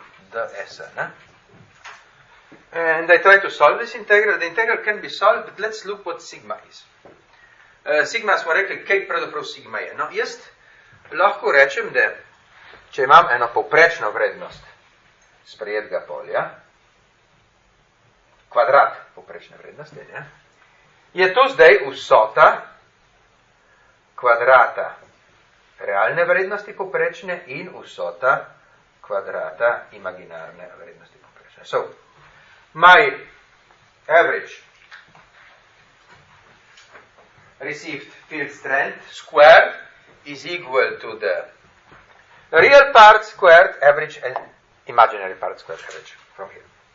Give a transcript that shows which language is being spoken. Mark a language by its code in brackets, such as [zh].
[sl] Do esa, ne? [en] And I try to solve this integral. The integral can be solved, but let's look what sigma is. [sl] Sigma smo rekli, kaj pravzaprav sigma je. No, jaz lahko rečem, da če imam eno povprečno vrednost sprejetega polja, kvadrat povprečne vrednosti, ne, je to zdaj vsota kvadrata realne vrednosti povprečne in vsota kvadrata imaginarne vrednosti povprečne. [en] So, my average received field strength squared is equal to the real part squared average and imaginary part squared average from here.